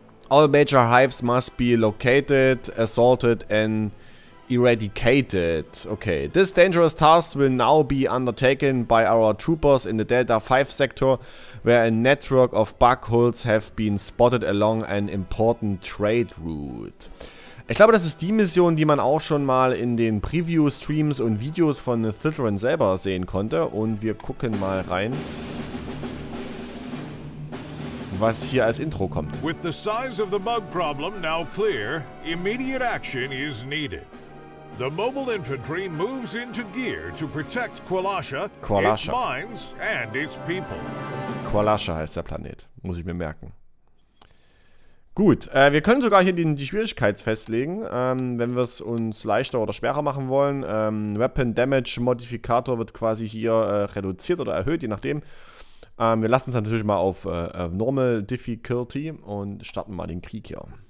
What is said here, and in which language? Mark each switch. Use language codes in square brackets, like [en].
[en] All major hives must be located, assaulted and eradicated. Okay, this dangerous task will now be undertaken by our troopers in the Delta 5 sector, where a network of bug holes have been spotted along an important trade route. [de] Ich glaube, das ist die Mission, die man auch schon mal in den Preview-Streams und Videos von Thitheran selber sehen konnte. Und wir gucken mal rein, was hier als Intro kommt. [en] With the size of the bug problem now clear, immediate action is needed. The mobile infantry moves into gear to protect Qualsha, its mines and its people. [de] Qualsha heißt der Planet, muss ich mir merken. Gut, wir können sogar hier die Schwierigkeit festlegen, wenn wir es uns leichter oder schwerer machen wollen. Weapon Damage Modifikator wird quasi hier reduziert oder erhöht, je nachdem. Wir lassen es natürlich mal auf Normal Difficulty und starten mal den Krieg hier.